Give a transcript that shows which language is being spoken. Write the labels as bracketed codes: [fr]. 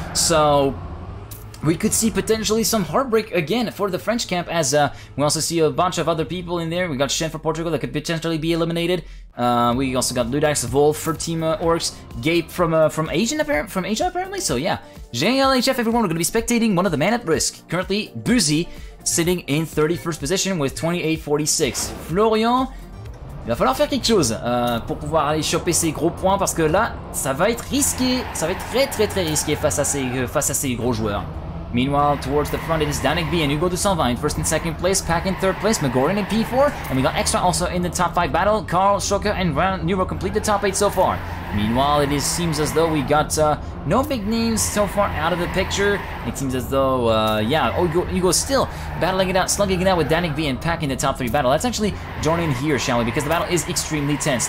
[en] So we could see potentially some heartbreak again for the French camp, as we also see a bunch of other people in there. We got Shen for Portugal that could potentially be eliminated. We also got Ludax, Volf for Team Orcs, Gabe from Asia apparently. So yeah, JLHF, everyone, we're gonna be spectating one of the man at risk. Currently, Boozy sitting in 31st position with 28.46. [fr] Florian, il va falloir faire quelque chose pour pouvoir aller choper ces gros points, parce que là, ça va être risqué. Ça va être très très très risqué face à ces gros joueurs. [en] Meanwhile, towards the front, it is Danik B and Hugo 220 in first and second place, Pack in third place, Megorin in P4, and we got Extra also in the top 5 battle. Carl, Shulker, and Nero complete the top 8 so far. Meanwhile, it seems as though we got no big names so far out of the picture. It seems as though, Hugo still battling it out, slugging it out with Danik B and Pack in the top 3 battle. Let's actually join in here, shall we, because the battle is extremely tense.